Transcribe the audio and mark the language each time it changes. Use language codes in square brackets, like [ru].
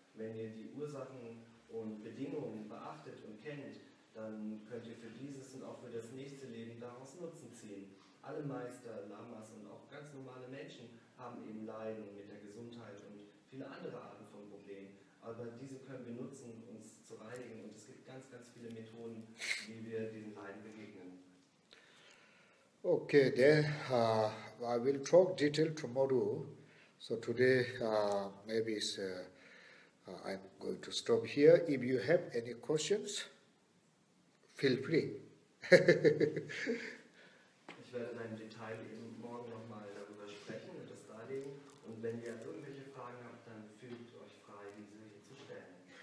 [de] Wenn ihr die Ursachen und Bedingungen beachtet und kennt, dann könnt ihr für dieses und auch für das nächste Leben daraus Nutzen ziehen. Alle Meister, Lamas und auch ganz normale Menschen haben eben Leiden mit der Gesundheit und viele andere Arten von Problemen. Aber diese können wir nutzen, uns zu reinigen. Und es gibt ganz, ganz viele Methoden, wie wir diesen Leiden begegnen. [en] Okay, then I will talk detail tomorrow. So today, maybe it's I'm going to stop here. If you have any questions, feel free. [de] Ich werde in einem Detail eben morgen nochmal darüber sprechen und das darlegen. Und wenn ihr irgendwelche Fragen habt, dann fühlt euch frei, diese hier zu stellen.